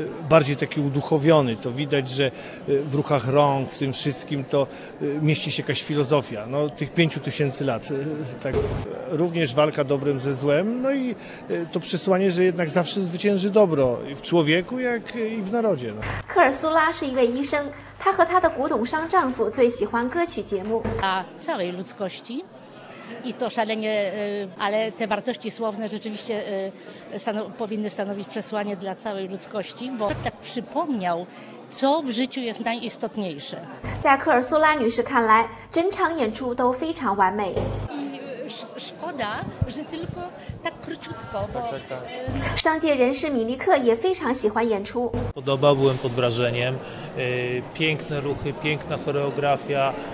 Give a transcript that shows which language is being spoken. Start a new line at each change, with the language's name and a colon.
Polish: Bardziej taki uduchowiony, to widać, że w ruchach rąk, w tym wszystkim to mieści się jakaś filozofia, no tych 5000 lat, tak. Również walka dobrem ze złem, no i to przesłanie, że jednak zawsze zwycięży dobro w człowieku, jak i w narodzie.
Chinese: 科尔苏拉是一位医生，她和她的古董商丈夫最喜欢歌曲节目。
Polish: A całej ludzkości. I to szalenie, ale te wartości słowne rzeczywiście powinny stanowić przesłanie dla całej ludzkości, bo tak przypomniał, co w życiu jest najistotniejsze.
Chinese: 在科尔苏拉女士看来，整场演出都非常完美。
Polish: I szkoda, że tylko tak króciutko.
Chinese: 商界人士米尼克也非常喜欢演出。
Polish: Podoba, byłem pod wrażeniem. Piękne ruchy, piękna choreografia.